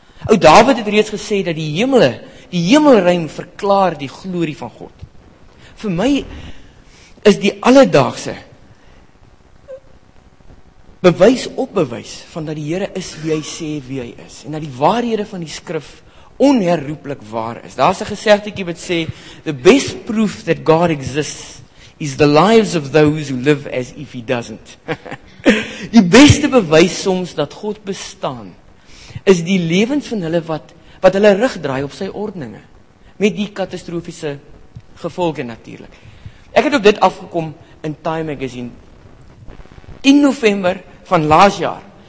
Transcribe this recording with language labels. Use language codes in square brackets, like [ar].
[af] Ou Dawid het reeds gesê dat die hemelruim verklaar die glorie van God. Vir my is die alledaagse bewys op bewys van dat die Here is wie hy sê wie hy is en dat die waarhede van die skrif onherroepelik waar is. Daar's 'n gesegdetjie wat sê [en] the best proof that God exists is the lives of those who live as if he doesn't. [af] Die beste bewys soms dat God bestaan is die lewens van hulle wat hulle rug draai op sy ordeninge met die katastrofiese gevolge natuurlik. Ek het op dit afgekom in Time Magazine 10 November van laas jaar.